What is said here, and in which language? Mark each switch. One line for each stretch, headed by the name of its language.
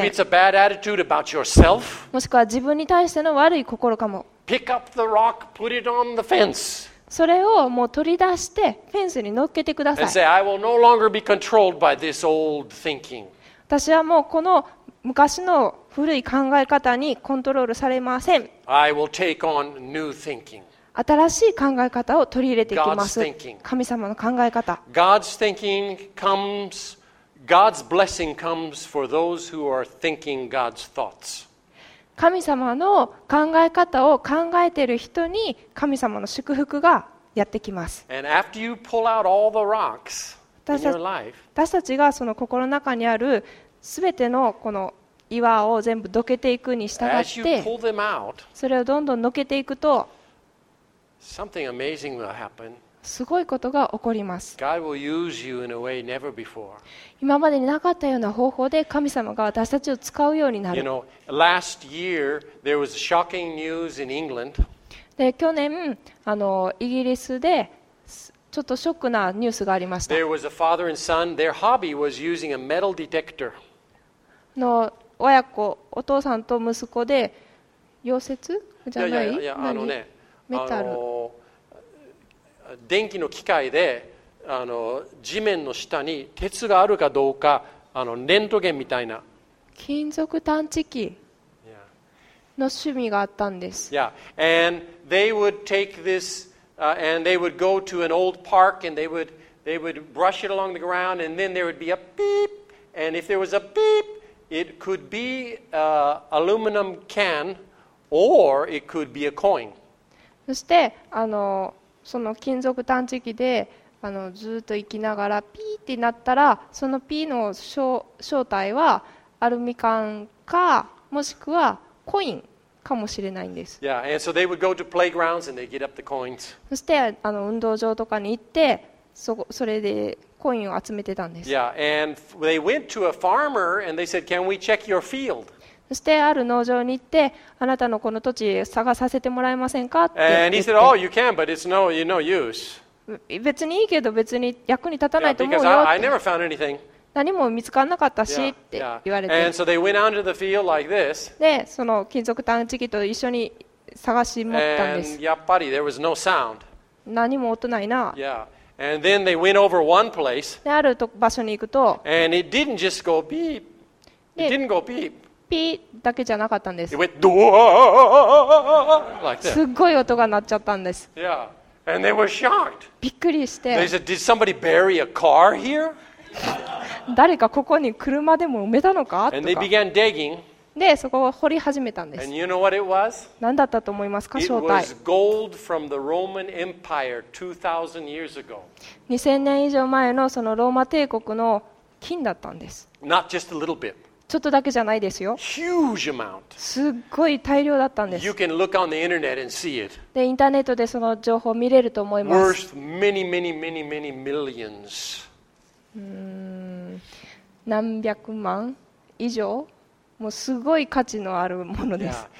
English: Maybe it's a bad attitude about yourself.
Japanese: もしくは自分に対しての悪い心かも。
English: Pick up the rock, put it on the fence.
Japanese: それをもう取り出してフェンスに乗っけてください。
English: And say, I will no longer be controlled by this old thinking.
Japanese: 私はもうこの昔の古い考え方にコントロールされません。
English: I will take on new thinking.
Japanese: 新しい考え方を取り入れていきます。神様の考え方。
English: God's thinking comes. God's blessing comes for those who are thinking God's thoughts.
Japanese: 神様の考え方を考えている人に神様の祝福がやってきます。
English: And after you pull out all the rocks in your life,
Japanese: 私たちがその心の中にあるすべてのこの岩を全部どけていくに従って、
English: as you pull them out,
Japanese: それをどんどんのけていくと、
English: something amazing will happen.
Japanese: すごいことが起こります。
English: God will use you in a way never before.
Japanese: 今までになかったような方法で神様が私たちを使うようになる。
English: You know, last year there was shocking news in England.
Japanese: で、去年イギリスでちょっとショックなニュースがありました。
English: There was a father and son. Their hobby was using a metal detector.
Japanese: の親子、お父さんと息子で溶接じゃない？
English: Yeah, yeah, yeah.
Japanese: 何？メタル。電気の機械で地面の下に鉄があるかどうかレントゲンみたいな金属探知機の趣味があったんです。
English: Yeah. And they would take this, and they would go to an old park and they would brush it along the ground and then there would be a beep. And if there was a beep, it could be an aluminum can or it could be a coin.
Japanese: そしてその金属探知機でずっと行きながらピーってなったらそのピーの正体はアルミ缶かもしくはコインかもしれないんです。
English: Yeah, and so they would go to playgrounds and they get up the coins.
Japanese: そして運動場とかに行ってそれでコインを集めてたんです。
English: Yeah, and they went to a farmer and they said, "Can we check your field?"
Japanese: そしてある農場に行って、あなたのこの土地探させてもらえませんかって言って。
English: And he said, oh, you can, but it's no use.
Japanese: 別にいいけど別に役に立たないと思うよって。
English: Yeah, because I never found anything.
Japanese: 何も見つからなかったしって言われて。
English: And so they went out into the field like this.
Japanese: で、その金属探知機と一緒に探し持ったんです。
English: And
Japanese: やっぱり
English: there was no sound.
Japanese: 何も音ないな。
English: Yeah. And then they went over one place.
Japanese: で、ある場所に行くと、
English: and it didn't just go beep. It didn't go beep.
Japanese: ピーだけじゃなかったんです。
English: It went doo ah ah ah ah ah like that.
Japanese: すっごい音が鳴っちゃったんです。
English: Yeah, and they were shocked.
Japanese: びっくりして。
English: They said, "Did somebody bury a car here?"
Japanese: 誰かここに車でも埋めたのか？とか。
English: And they began digging.
Japanese: で、そこを掘り始めたんです。
English: And you know what it was?
Japanese: 何だったと思いますか、正体。
English: It was gold from the Roman Empire 2000 years ago.
Japanese: 2000年以上前のそのローマ帝国の金だったんです。
English: Not just a little bit.
Japanese: ちょっとだけじゃないですよ。
English: Huge amount.
Japanese: すっごい大量だったんです。
English: You can look on the internet and see it.
Japanese: で、インターネットでその情報を見れると思います。
English: Worth many, many, many, many millions.
Japanese: 何百万以上？もうすごい価値のあるものです。